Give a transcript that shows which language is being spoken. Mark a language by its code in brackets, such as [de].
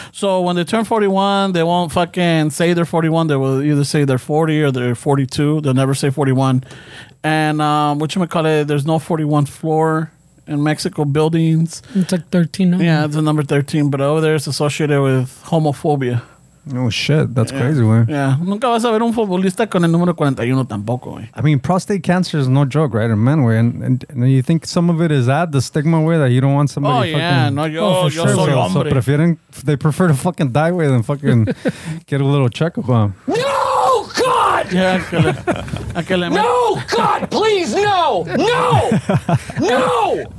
[en] So when they turn 41, they won't fucking say they're 41. They will either say they're 40 or they're 42. They'll never say 41. And there's no 41 floor in Mexico buildings. It's like 13. No? Yeah, it's a number 13. But over there, it's associated with homophobia. Oh, shit. That's crazy, man. Yeah. [es] Nunca vas a ver un futbolista con el número 41 tampoco, [en] man. I mean, prostate cancer is no joke, right? In men, and you think some of it is that, the stigma, way that you don't want somebody [es] soy hombre. [en] So they prefer to fucking die, way, than fucking get a little check of them. No, God! Yeah, No, God, please, no! No! No!